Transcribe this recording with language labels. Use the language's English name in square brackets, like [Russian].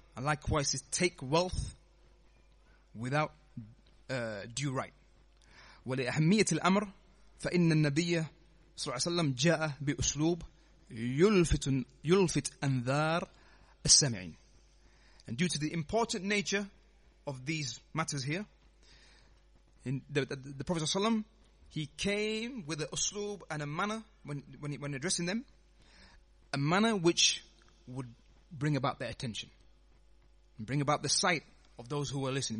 [English] And likewise, to take wealth without due right. [Arabic] وَلِأَهَمِّيَّةِ الْأَمْرِ فَإِنَّ النَّبِيَّ صلى الله عليه وسلم جاء بأسلوب يلفت أنذار السامعين. [English] And due to the important nature of these matters here, in the Prophet ﷺ, he came with a usloob and a manner when addressing them, a manner which would bring about their attention, and bring about the sight of those who were listening.